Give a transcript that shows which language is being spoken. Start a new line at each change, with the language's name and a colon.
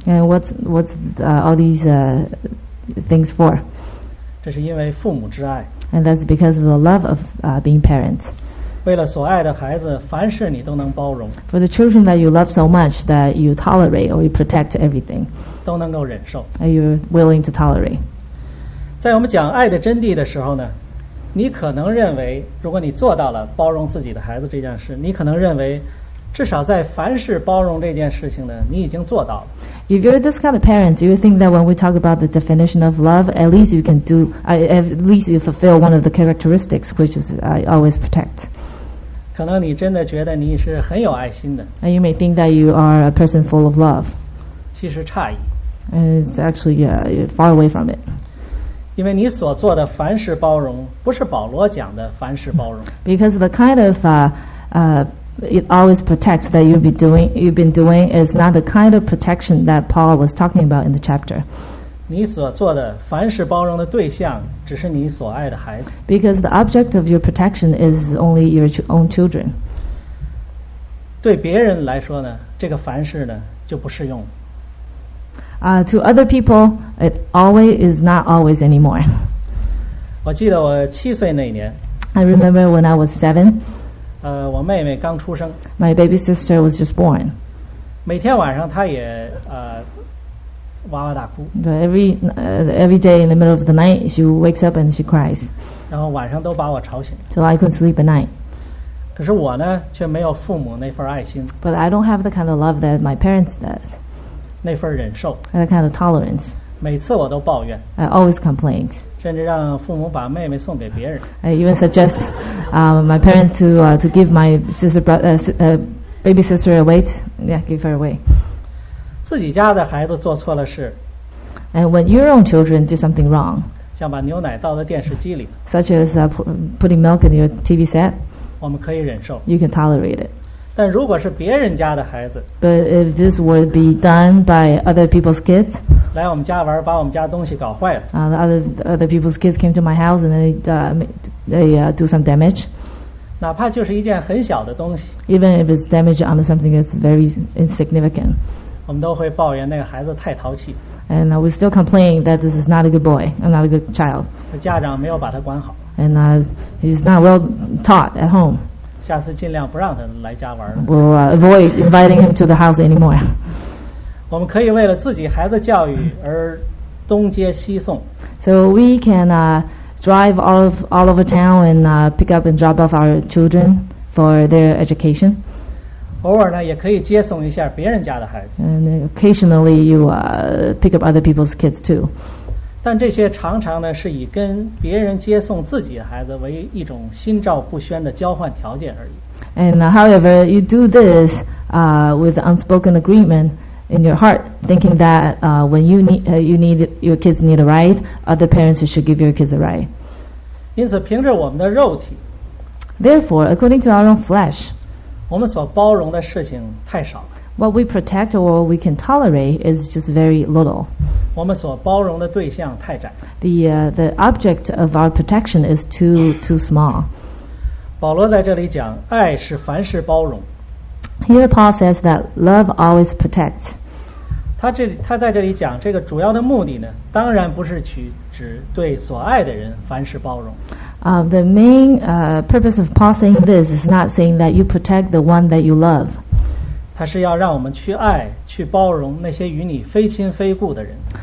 English: And what's all these things for?
Chinese: 这是因为父母之爱。
English: And that's because of the love of being parents.
Chinese: 为了所爱的孩子，凡事你都能包容。
English: For the children that you love so much that you tolerate or you protect everything.
Chinese: 都能够忍受。
English: And you're willing to tolerate.
Chinese: 在我们讲爱的真谛的时候呢？你可能认为如果你做到了包容自己的孩子这件事你可能认为至少在凡事包容这件事情呢你已经做到了
English: If you're this kind of parents you think that when we talk about the definition of love at least you can do at least you fulfill one of the characteristics which is I always protect
Chinese: 可能你真的觉得你是很有爱心的
English: And you may think that you are a person full of love
Chinese: 其实诧异
English: And it's actually far away from it
Chinese: 因为你所做的凡事包容不是保罗讲的凡事包容
English: because the kind of it always protects that you've been doing is not the kind of protection that Paul was talking about in the chapter
Chinese: 你所做的凡事包容的对象只是你所爱的孩子
English: because the object of your protection is only your own children
Chinese: 对别人来说呢这个凡事呢就不适用
English: To other people, it always is not always anymore.
Chinese: 我记得我七岁那年。
English: I remember when I was 7.
Chinese: 我妹妹刚出生。
English: My baby sister was just born.
Chinese: 每天晚上她也哇哇大哭。
English: Every day in the middle of the night, she wakes up and she cries.
Chinese: 然后晚上都把我吵醒。
English: So I couldn't sleep at night.
Chinese: 可是我呢，却没有父母那份爱心。
English: But I don't have the kind of love that my parents does.
Chinese: 那份忍受
English: that kind of tolerance
Chinese: 每次我都抱怨
English: I always complain
Chinese: 甚至让父母把妹妹送给别人
English: I even suggest my parents to give my sister baby sister away yeah give her away
Chinese: 自己家的孩子做错了事
English: and when your own children do something wrong
Chinese: 像把牛奶倒在电视机里
English: such as putting milk in your TV set
Chinese: 我们可以忍受
English: you can tolerate it
Chinese: 但如果是别人家的孩子
English: But if this would be done by other people's kids
Chinese: 来我们家玩把我们家东西搞坏了
English: other people's kids came to my house and they do some damage
Chinese: 哪怕就是一件很小的东西
English: Even if it's damage on something that's very insignificant
Chinese: 我们都会抱怨那个孩子太淘气
English: And we still complain that this is not a good boy and not a good child
Chinese: 家长没有把他管好
English: And he's not well taught at home
Chinese: 下次尽量不让他来家玩。
English: We'll avoid inviting him to the house anymore.
Chinese: 我们可以为了自己孩子教育而东接西送。
English: So we can drive all over town and pick up and drop off our children for their education.
Chinese: 偶尔呢，也可以接送一下别人家的孩子。
English: And occasionally you pick up other people's kids too.
Chinese: 但这些常常呢是以跟别人接送自己的孩子为一种心照不宣的交换条件而已
English: and however you do this with unspoken agreement in your heart thinking that when you need your kids need a ride other parents should give your kids a ride
Chinese: 因此凭着我们的肉体
English: therefore according to our own flesh
Chinese: 我们所包容的事情太少了
English: what we protect or we can tolerate is just very little
Chinese: 我们所包容的对象太窄。
English: The object of our protection is too small.
Chinese: 保罗在这里讲，爱是凡事包容。
English: Here Paul says that love always protects.
Chinese: 他在这里讲这个主要的目的呢，当然不是去指对所爱的人凡事包容。
English: The main purpose of Paul saying this is not saying that you protect the one that you love.
Chinese: 他是要让我们去爱去包容那些与你非亲非故的人